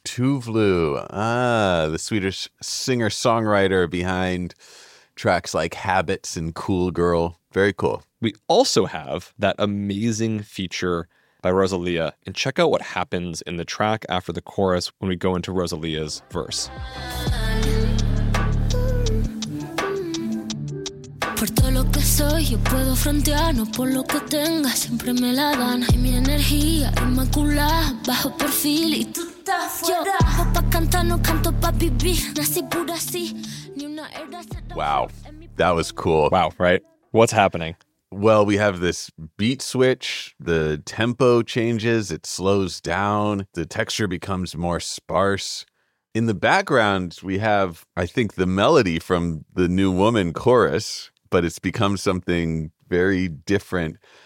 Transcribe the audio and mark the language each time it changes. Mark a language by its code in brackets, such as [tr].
[en] Tuvlu, the Swedish singer-songwriter behind tracks like Habits and Cool Girl. Very cool. We also have that amazing feature by Rosalia. And check out what happens in the track after the chorus when we go into Rosalia's verse. [es] Por todo lo que soy, yo puedo frontear, no por lo que tenga, siempre me la dan. Y mi energía inmaculada, bajo perfil y tú estás fuera. Yo pa' cantar, no canto pa' vivir, nací pura así, ni una herda. [en] Wow, that was cool. Wow, right? What's happening? Well, we have this beat switch, the tempo changes, it slows down, the texture becomes more sparse. In the background, we have, I think, the melody from the New Woman chorus, but it's become something very different.